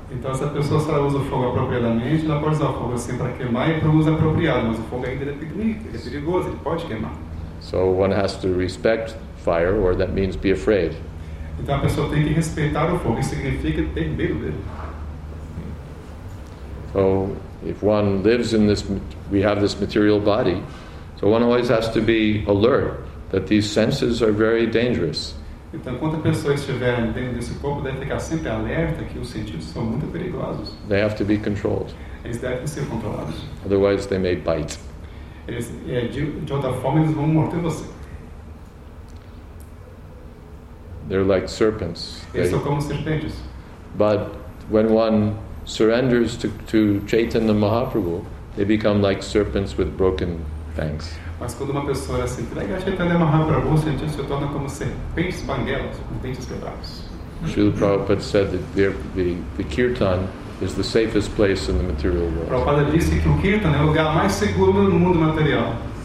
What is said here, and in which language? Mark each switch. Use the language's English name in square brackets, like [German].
[Portuguese] Então, se a pessoa só usa o fogo apropriadamente, ela pode usar o fogo assim para queimar e para uso apropriado. Mas o fogo ainda é perigoso, ele pode queimar. [English] So one has to respect fire, or that means be afraid. [Portuguese] Então, a pessoa tem que respeitar o fogo. Isso significa ter medo dele. [English] So if one lives in this, we have this material body, so one always has to be alert that these senses are very dangerous. [Portuguese] Então, quando a pessoa estiver dentro desse corpo, deve ficar sempre alerta que os sentidos são muito perigosos. [English] They have to be controlled. [Portuguese] Eles devem ser controlados. [English] Otherwise, they may bite. [Portuguese] Eles, de outra forma, eles vão morder você. [English] They're like serpents. [Portuguese] Eles são como serpentes. [English] But when one surrenders to Chaitanya Mahaprabhu, they become like serpents with broken fangs. [Portuguese] Mas quando uma pessoa é assim, entrega a Chaitanya Mahaprabhu, os sentidos se tornam como serpentes banguelas, com dentes quebrados. [English] Srila Prabhupada said that the kirtan is the safest place in the material world. [Portuguese] Prabhupada disse que o kirtan é o lugar mais seguro no mundo material.